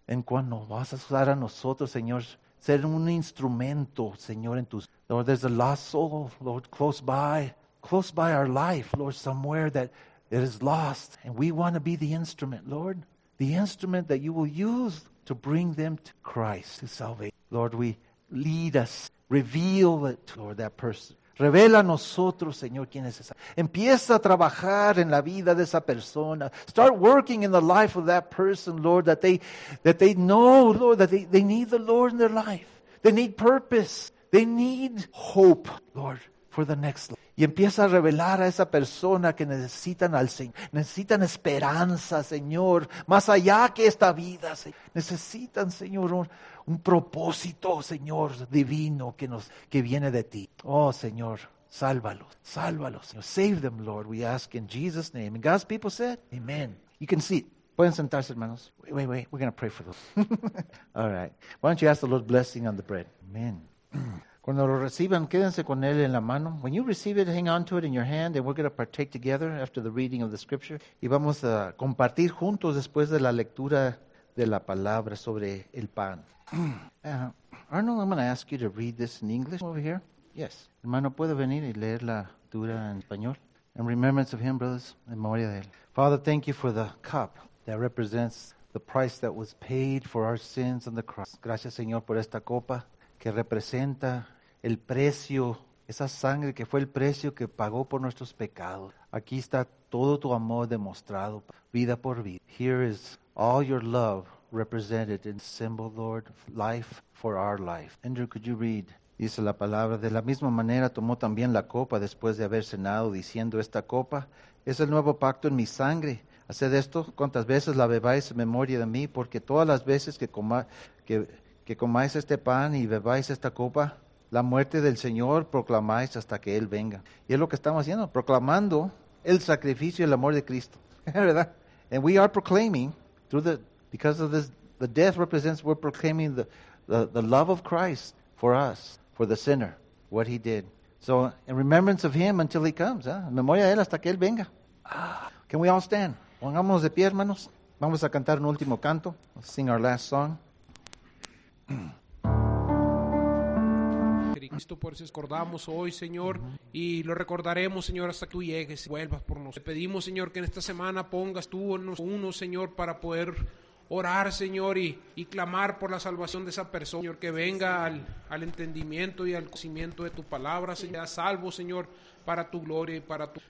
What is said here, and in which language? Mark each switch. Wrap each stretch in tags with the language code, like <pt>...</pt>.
<es>En cuanto vas a usar a nosotros, Señor, ser un instrumento, Señor, en tus...</es> <en>Lord, there's a lost soul, Lord, close by our life, Lord, somewhere that it is lost. And we want to be the instrument, Lord, the instrument that you will use to bring them to Christ, to salvation. Lord, we lead us, reveal it to that person.</en> <es>Revela a nosotros, Señor, quién es esa. Empieza a trabajar en la vida de esa persona.</es> <en>Start working in the life of that person, Lord, that they know, Lord, that they need the Lord in their life. They need purpose. They need hope, Lord, for the next life.</en> <es>Y empieza a revelar a esa persona que necesitan al Señor. Necesitan esperanza, Señor, más allá que esta vida, Señor. Necesitan, Señor, un propósito, Señor, divino que viene de ti. Oh, Señor, sálvalos, Señor.</es> <en>Save them, Lord, we ask in Jesus' name. And God's people said, amen. You can see.</en> <es>Pueden sentarse, hermanos.</es> <en>Wait, we're going to pray for them. All right. Why don't you ask the Lord's blessing on the bread? Amen.</en> <es>Cuando lo reciban, quédense con él en la mano.</es> <en>When you receive it, hang on to it in your hand, and we're going to partake together after the reading of the scripture.</en> <es>Y vamos a compartir juntos después de la lectura de la palabra sobre el pan.</es> <en>Arnold, I'm going to ask you to read this in English over here. Yes.</en> <es>Hermano, ¿puede venir y leer la lectura en español?</es> <en>In remembrance of him, brothers,</en> <es>en memoria de él.</es> <en>Father, thank you for the cup that represents the price that was paid for our sins on the cross.</en> <es>Gracias, Señor, por esta copa que representa el precio, esa sangre que fue el precio que pagó por nuestros pecados. Aquí está todo tu amor demostrado, vida por vida.</es> <en>Here is all your love represented in symbol, Lord, life for our life. Andrew, could you read?</en> <es>Dice la palabra, de la misma manera tomó también la copa después de haber cenado, diciendo, esta copa es el nuevo pacto en mi sangre. Haced esto cuantas veces la bebáis en memoria de mí, porque todas las veces que comáis este pan y bebáis esta copa, la muerte del Señor proclamáis hasta que Él venga. Y es lo que estamos haciendo, proclamando el sacrificio y el amor de Cristo. ¿Verdad?</es> <en>And we are proclaiming, because of this, the death represents, we're proclaiming the love of Christ for us, for the sinner, what He did. So, in remembrance of Him until He comes,</en> <es>¿eh? En memoria de Él hasta que Él venga.</es> <en>Can we all stand?</en> <es>Pongámonos de pie, hermanos. Vamos a cantar un último canto.</es> <en>Let's sing our last song.</en> <es>Cristo, por eso recordamos hoy, Señor, y lo recordaremos, Señor, hasta que tú llegues y vuelvas por nosotros. Te pedimos, Señor, que en esta semana pongas tú en uno, Señor, para poder orar, Señor, y clamar por la salvación de esa persona, Señor, que venga al entendimiento y al conocimiento de tu palabra, Señor, salvo, Señor, para tu gloria y para tu...</es>